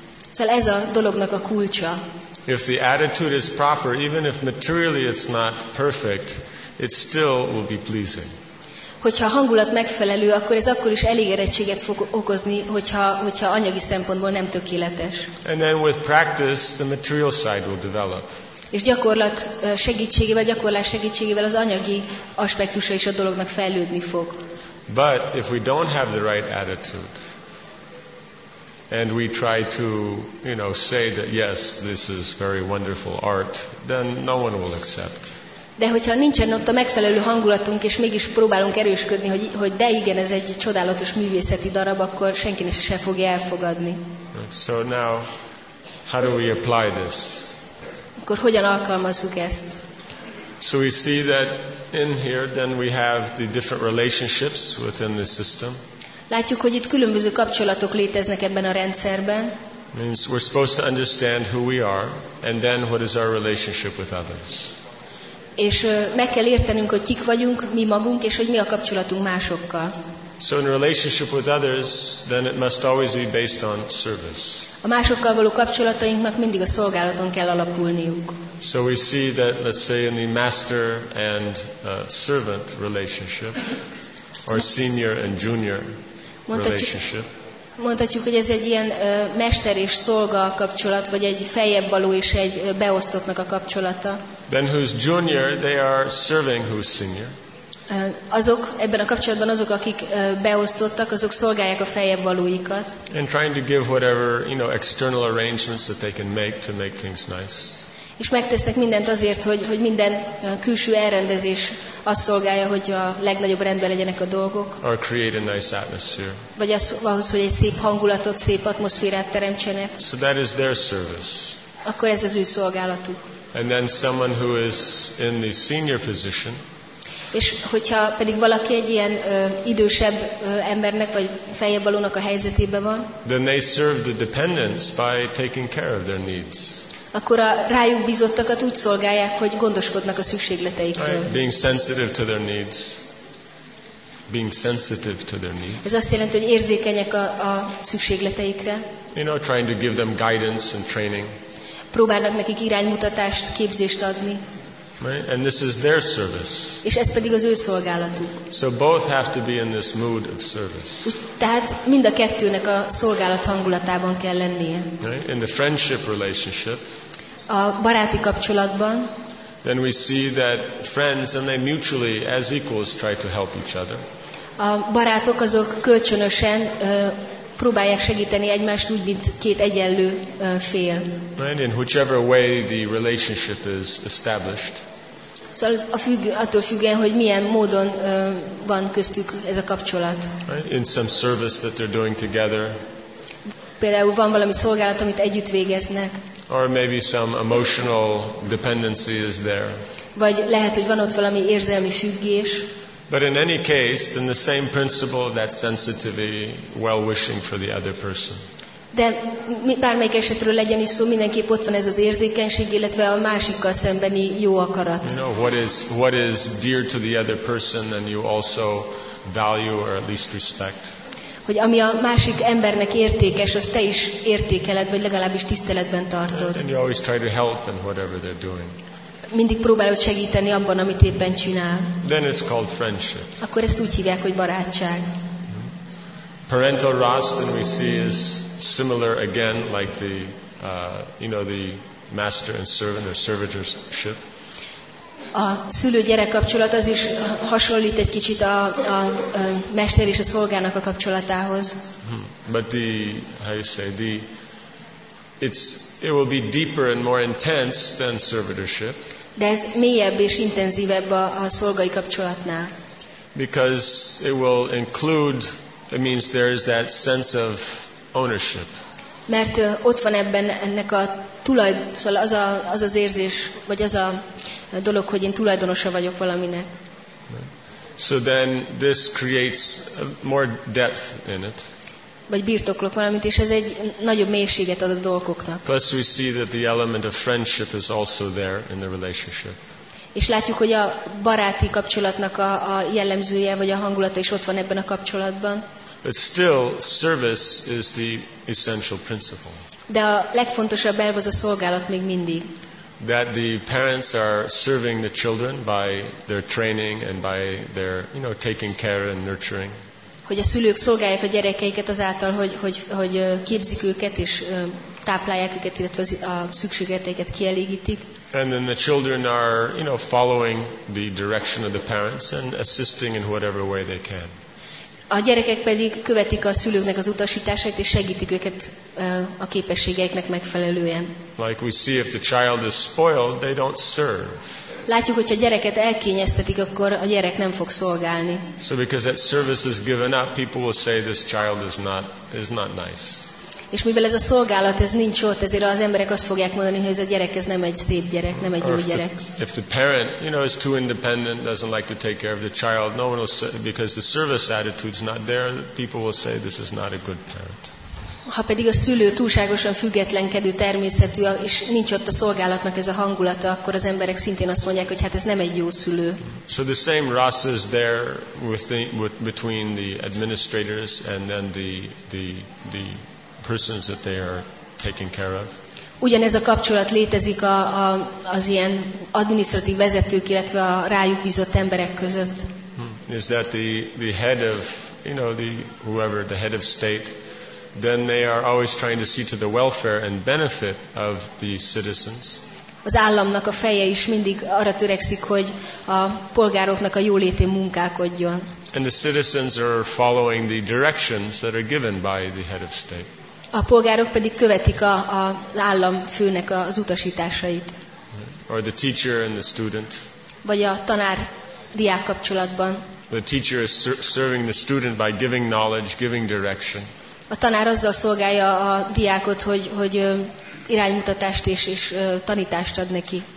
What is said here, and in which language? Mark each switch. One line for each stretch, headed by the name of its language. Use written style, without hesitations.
Hungarian: Szóval ez a dolognak a kulcsa.
English: If the attitude is proper, even if materially it's not perfect, it still will be pleasing.
Hungarian: Hogyha a hangulat megfelelő, akkor ez akkor is elégedettséget fog okozni, hogyha anyagi szempontból nem tökéletes.
English: And then with practice, the material side will develop.
Hungarian: És gyakorlat segítségével, gyakorlás segítségével az anyagi aspektusa is a dolognak fejlődni fog.
English: But if we don't have the right attitude, and we try to, you know, say that yes, this is very wonderful art, then no one will accept.
Hungarian: De hogyha nincsen ott a megfelelő hangulatunk, és mégis próbálunk erősködni, hogy de igen, ez egy csodálatos művészeti darab, akkor senki sem fogja elfogadni.
English: So now, how do we apply this?
Hungarian: Akkor hogyan alkalmazzuk ezt?
English: So we see that in here, then we have the different relationships within the system.
Hungarian: Látjuk, hogy itt különböző kapcsolatok léteznek ebben a rendszerben.
English: Means we're supposed to understand who we are, and then what is our relationship with others.
Hungarian: És meg kell értenünk, hogy kik vagyunk, mi magunk, és hogy mi a kapcsolatunk másokkal.
English: So in relationship with others, then it must always be based on service.
Hungarian: A másokkal való kapcsolatainknak mindig a szolgálaton kell alapulniuk.
English: So we see that, let's say, in the master and servant relationship, or senior and junior relationship.
Hungarian: Mondhatjuk, hogy ez egy ilyen mester és szolga kapcsolat, vagy egy feljebb való és egy beosztottnak a kapcsolata.
English: Then who's junior, they are serving who's senior.
Hungarian: Azok ebben a kapcsolatban azok, akik beosztottak, azok szolgálják a feljebb valóikat.
English: And trying to give whatever, you know, external arrangements that they can make things nice.
Hungarian: És megtesznek mindent azért, hogy minden külső elrendezés azt szolgálja, hogy a legnagyobb rendben legyenek a dolgok.
English: Or create a nice atmosphere.
Hungarian: Vagy az, ahhoz, hogy egy szép hangulatot, szép atmoszférát teremtsenek.
English: So that is their service.
Hungarian: Akkor ez az ő szolgálatuk.
English: And then someone who is in the senior position.
Hungarian: És hogyha pedig valaki egy ilyen idősebb embernek, vagy feljebb valónak a helyzetében van.
English: Then they serve the dependents by taking care of their needs.
Hungarian: Akkor a rájuk bízottakat úgy szolgálják, hogy gondoskodnak a szükségleteikről.
English: Right. Being sensitive to their needs. Being sensitive to their needs.
Hungarian: Ez azt jelenti, hogy érzékenyek a szükségleteikre.
English: You know, trying to give them guidance and training.
Hungarian: Próbálnak nekik iránymutatást, képzést adni.
English: Right. And this is their service.
Hungarian: És ez pedig az ő szolgálatuk.
English: So both have to be in this mood of service.
Hungarian: Tehát mind a kettőnek a szolgálat hangulatában kell lennie.
English: Right. In the friendship relationship.
Hungarian: A baráti kapcsolatban.
English: Then we see that friends and they mutually as equals try to help each other.
Hungarian: A barátok azok kölcsönösen próbálják segíteni egymást úgy, mint két egyenlő fél.
English: And in whichever way the relationship is established.
Hungarian: Szóval attól függően, hogy milyen módon van köztük ez a kapcsolat.
English: Right? In some service that they're doing together.
Hungarian: Például van valami szolgálat, amit együtt végeznek.
English: Or maybe some emotional dependency is there.
Hungarian: Vagy lehet, hogy van ott valami érzelmi függés.
English: But in any case, then the same principle of that sensitivity, well-wishing for the other person.
Hungarian: De bármelyik esetről legyen is szó, mindenképp ott van ez az érzékenység, illetve a másikkal szembeni jó akarat.
English: You know, what is dear to the other person, then you also value or at least respect.
Hungarian: Hogy ami a másik embernek értékes, azt te is értékeled, vagy legalábbis tiszteletben tartod.
English: And you always try to help them whatever they're doing.
Hungarian: Mindig próbálod segíteni abban, amit éppen csinál.
English: Then it's called friendship.
Hungarian: Akkor ezt úgy hívják, hogy barátság.
English: Parental rust, and we see is similar again, like the, you know, the master and servant or servitorship.
Hungarian: A szülő-gyerek kapcsolat az is hasonlít egy kicsit a mester és a szolgának a kapcsolatához.
English: But the, how you say, the it will be deeper and more intense than servitorship.
Hungarian: De ez mélyebb és intenzívebb a szolgai kapcsolatnál.
English: Because it will include, it means there is that sense of ownership.
Hungarian: Mert ott van ebben ennek a tulajdon, szóval az az érzés, vagy az a dolog, hogy én tulajdonosa vagyok valaminek.
English: So then this creates more depth in it.
Hungarian: Vagy birtoklok valamit, és ez egy nagyobb mélységet ad a dolgoknak.
English: Plus we see that the element of friendship is also there in the relationship.
Hungarian: És látjuk, hogy a baráti kapcsolatnak a jellemzője, vagy a hangulata is ott van ebben a kapcsolatban.
English: But still, service is the essential principle.
Hungarian: De a legfontosabb elv az a szolgálat még mindig.
English: That the parents are serving the children by their training and by their, you know, taking care and nurturing.
Hungarian: Hogy a szülők szolgálják a gyerekeiket azáltal, hogy képzik őket és táplálják őket, illetve a szükségleteiket kielégítik.
English: And then the children are, you know, following the direction of the parents and assisting in whatever way they can.
Hungarian: A gyerekek pedig követik a szülőknek az utasításait és segítik őket a képességeiknek megfelelően.
English: Like we see, if the child is spoiled, they don't serve.
Hungarian: Látjuk, hogy ha gyereket elkényeztetik, akkor a gyerek nem fog szolgálni.
English: So because that service is given up, people will say this child is not nice.
Hungarian: És mivel ez a szolgálat ez nincs ott, ezért az emberek azt fogják mondani, hogy ez a gyerek ez nem egy szép gyerek, nem egy jó gyerek.
English: If the parent, you know, is too independent, doesn't like to take care of the child, no one will say, because the service attitude's not there, people will say this is not a good parent.
Hungarian: Ha pedig a szülő túlságosan függetlenkedő természetű, és nincs ott a szolgálatnak ez a hangulata, akkor az emberek szintén azt mondják, hogy hát ez nem egy jó szülő.
English: So the same rasa is there between the administrators and then the persons that they are taking care of.
Hungarian: Ugyanez a kapcsolat létezik az ilyen adminisztratív vezetők, illetve a rájuk bízott emberek között.
English: Is that the head of, you know, the head of state, then they are always trying to see to the welfare and benefit of the citizens.
Hungarian: Az államnak a feje is mindig arra törekszik, hogy a polgároknak a jólétén munkálkodjon.
English: And the citizens are following the directions that are given by the head of state.
Hungarian: A polgárok pedig követik a állam főnek az utasításait.
English: Or the teacher and the student.
Hungarian: Vagy a tanár-diák kapcsolatban.
English: The teacher is serving the student by giving knowledge, giving direction.
Hungarian: A tanár azzal szolgálja a diákot, hogy iránymutatást és tanítást ad neki.